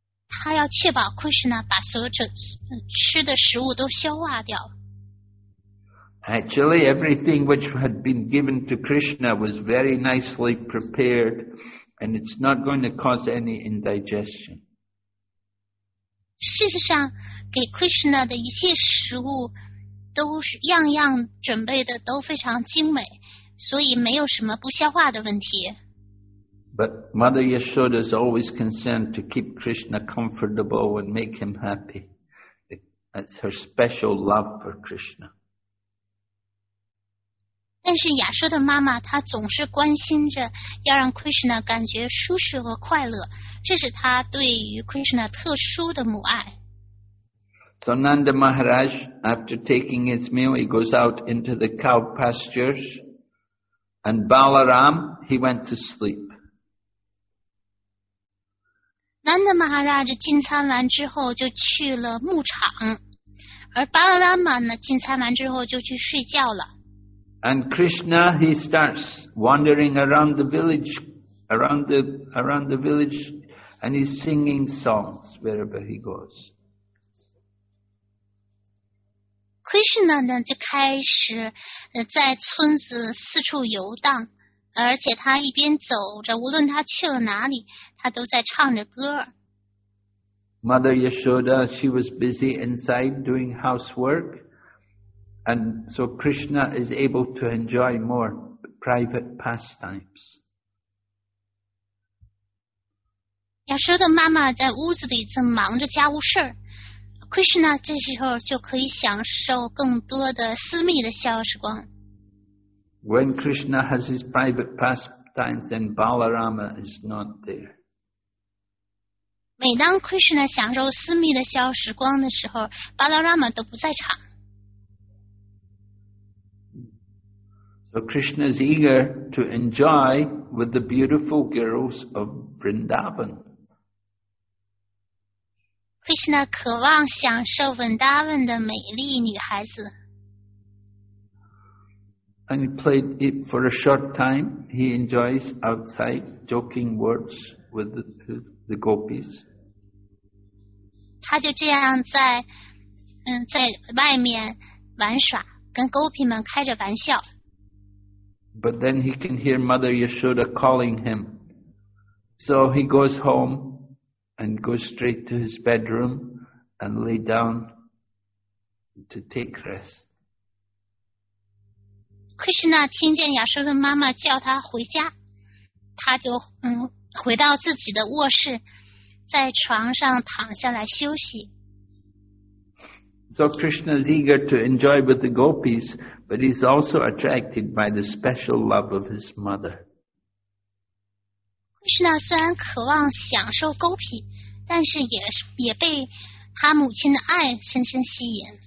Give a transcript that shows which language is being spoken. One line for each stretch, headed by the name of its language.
Chinese: 她要确保 Krishna 把所有吃的食物都消化掉。
English: Actually, everything which had been given to Krishna was very nicely prepared, and it's not going to cause any indigestion.
Chinese: 事实上，给 Krishna 的一切食物都是样样准备的都非常精美，所以没有什么不消化的问题。
English: But Mother Yashoda is always concerned to keep Krishna comfortable and make him happy. That's her special love for Krishna.
Chinese: 但是亚修的妈妈她总是关心着要让 Krishna 感觉舒适和快乐，这是她对于 Krishna 特殊的母爱。
English: So Nanda Maharaj, after taking his meal, he goes out into the cow pastures, and Balaram, he went to sleep.
Chinese: Nanda Maharaj 进餐完之后就去了牧场，而 Balaram 呢，进餐完之后就去睡觉了。
English: And Krishna, he starts wandering around the village, around the village, and he's singing songs wherever he goes.
Chinese: Krishna 呢就开始在村子四处游荡，而且他一边走着，无论他去了哪里，他都在唱着歌。
English: Mother Yashoda, she was busy inside doing housework. And so Krishna is able to enjoy more private pastimes.
Chinese: 亚修的妈妈在屋子里正忙着家务事， Krishna 这时候就可以享受更多的私密的消时光。
English: When Krishna has his private pastimes, then Balarama is not there.
Chinese: 每当 Krishna 享受私密的消时光的时候， Balarama 都不在场。
English: So Krishna is eager to enjoy with the beautiful girls of Vrindavan.
Chinese: Krishna 渴望享受 Vrindavan 的美丽女孩子。
English: And he played it for a short time. He enjoys outside joking words with the gopis.
Chinese: 他就这样在外面玩耍，跟 gopi 们开着玩笑。
English: But then he can hear Mother Yashoda calling him. So he goes home and goes straight to his bedroom and lay down to take rest.
Chinese: Krishna 听见亚修的妈妈叫他回家，他就回到自己的卧室，在床上躺下来休息。
English: So Krishna is eager to enjoy with the gopis, but he's also attracted by the special love of his mother.
Chinese: Krishna 虽然渴望享受 gopi, 但是 也被他母亲的爱深深吸引。